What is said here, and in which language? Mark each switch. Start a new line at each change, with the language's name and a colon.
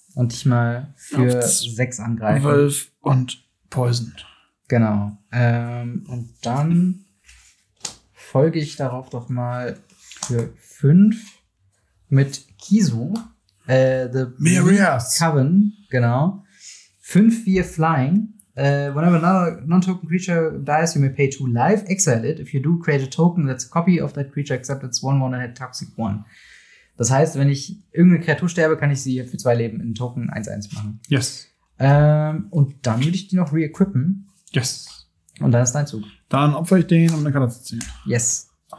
German: Und dich mal für 6 angreifen. 12 und Poison. Genau. Und dann folge ich darauf doch mal für 5 mit Kisu, the Mirias. Coven, genau. 5-4 Flying.
English: Whenever another non-token creature dies, you may pay 2 life. Exile it. If you do, create a token that's a copy of that creature, except it's 1-1 and had toxic 1.
German: Das heißt, wenn ich irgendeine Kreatur sterbe, kann ich sie für 2 Leben in Token 1-1 machen.
English: Yes.
German: Und dann würde ich die noch re-equippen.
English: Yes.
German: Und dann ist dein Zug. Dann opfer ich den, um eine Karte zu ziehen.
English: Yes.